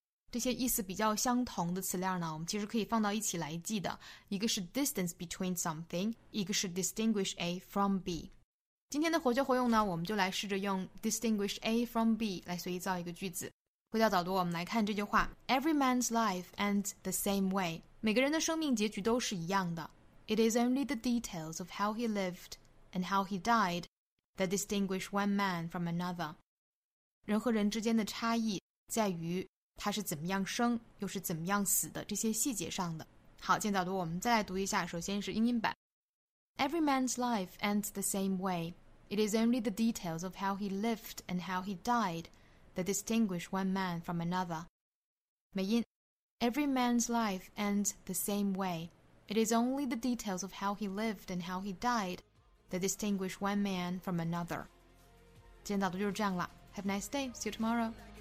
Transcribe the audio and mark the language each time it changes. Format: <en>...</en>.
<zh>这些意思比较相同的词链呢，我们其实可以放到一起来记的，一个是 distance between something， 一个是 distinguish A from B。今天的活学活用呢，我们就来试着用 distinguish A from B 来随意造一个句子。回到早读，我们来看这句话。</zh> <en>Every man's life ends the same way，</en> <zh>每个人的生命结局都是一样的。</zh> <en>It is only the details of how he lived and how he died that distinguish one man from another。</en> <zh>人和人之间的差异在于他是怎么样生又是怎么样死的，这些细节上的。好，今天早读我们再来读一下，首先是英音版。</zh> <en>Every man's life ends the same way， It is only the details of how he lived and how he died that distinguish one man from another。</en> <zh>美音。</zh> <en>Every man's life ends the same way， It is only the details of how he lived and how he died that distinguish one man from another。</en> <zh>今天早读就是这样了。</zh> <en>Have a nice day, see you tomorrow。</en>